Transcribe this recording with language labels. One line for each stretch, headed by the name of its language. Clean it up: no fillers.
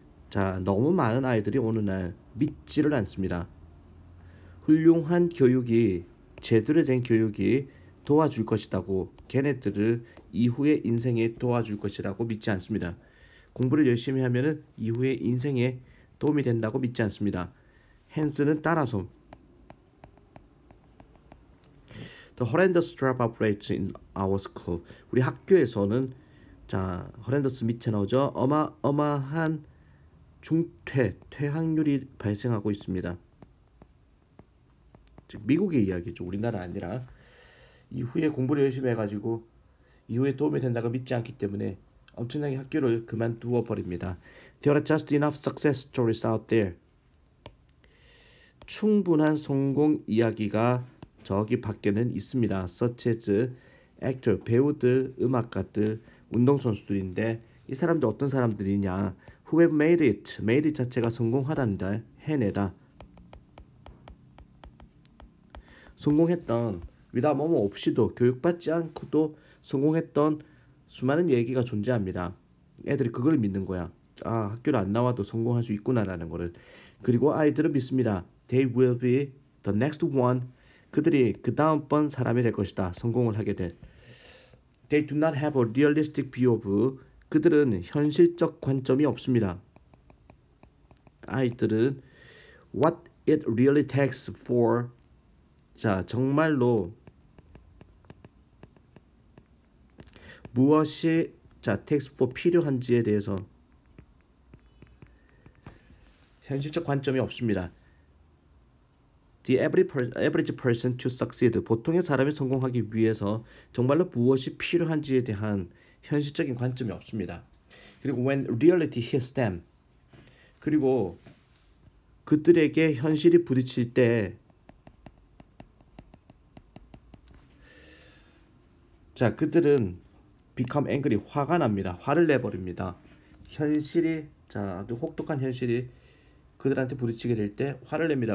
Korean: 자, 너무 많은 아이들이 어느 날 믿지를 않습니다. 훌륭한 교육이, 제대로 된 교육이 도와줄 것이라고, 걔네들을 이후의 인생에 도와줄 것이라고 믿지 않습니다. 공부를 열심히 하면은 이후의 인생에 도움이 된다고 믿지 않습니다. 헨스는 따라서
English: The horrendous drop rates in our school.
Korean: 우리 학교에서는 자,
English: horrendous
Korean: 밑에 나오죠. 어마어마한 중퇴, 퇴학률이 발생하고 있습니다. 즉 미국의 이야기죠. 우리나라 아니라 이후에 공부를 열심히 해가지고 이후에 도움이 된다고 믿지 않기 때문에 엄청나게 학교를 그만두어 버립니다.
English: There are just enough success stories out there.
Korean: 충분한 성공 이야기가 저기 밖에는 있습니다.
English: Such as actor,
Korean: 배우들, 음악가들, 운동선수들인데 이 사람들 어떤 사람들이냐?
English: Who have made it? Made it
Korean: 자체가 성공하단다. 해내다. 성공했던 위담 어머 없이도 교육받지 않고도 성공했던 수많은 얘기가 존재합니다. 애들이 그걸 믿는 거야. 아, 학교를 안 나와도 성공할 수 있구나라는 거를. 그리고 아이들은 믿습니다.
English: They will be the next one.
Korean: 그들이 그 다음번 사람이 될 것이다. 성공을 하게 될.
English: They do not have a realistic view of.
Korean: 그들은 현실적 관점이 없습니다. 아이들은
English: What it really takes for.
Korean: 자, 정말로 무엇이 자,
English: takes for
Korean: 필요한지에 대해서 현실적 관점이 없습니다.
English: The average person to succeed.
Korean: 보통의 사람이 성공하기 위해서 정말로 무엇이 필요한지에 대한 현실적인 관점이 없습니다. 그리고
English: when reality hits them.
Korean: 그리고 그들에게 현실이 부딪힐 때, 자, 그들은
English: become angry,
Korean: 화가 납니다. 화를 내버립니다. 현실이, 자, 아주 혹독한 현실이 그들한테 부딪히게 될때 화를 냅니다.